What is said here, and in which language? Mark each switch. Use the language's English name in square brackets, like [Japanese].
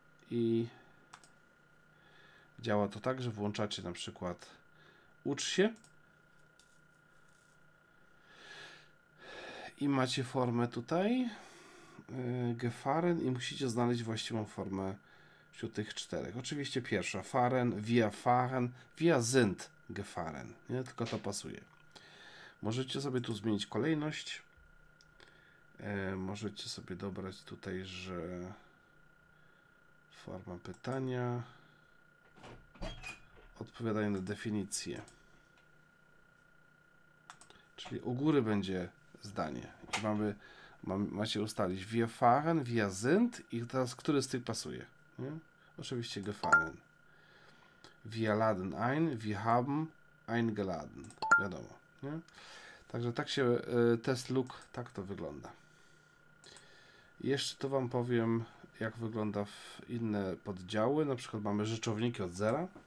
[Polish] I działa to tak, że włączacie na przykład ucz się i macie formę tutaj gefahren i musicie znaleźć właściwą formę wśród tych czterech. Oczywiście pierwsza [German] fahren, wir fahren, wir sind gefahren, [Polish] nie? Tylko to pasuje. Możecie sobie tu zmienić kolejność. Możecie sobie dobrać tutaj, że forma pytania odpowiadają na definicję. Czyli u góry będzie zdanie. I macie ustalić [German] wir fahren, wir sind [Polish] i teraz który z tych pasuje? Nie? Oczywiście gefahren. [German] Wir laden ein, wir haben eingeladen. [Polish] Wiadomo. Nie? Także tak się test look, tak to wygląda. Jeszcze to Wam powiem, jak wygląda w inne poddziały. Na przykład mamy rzeczowniki od zera.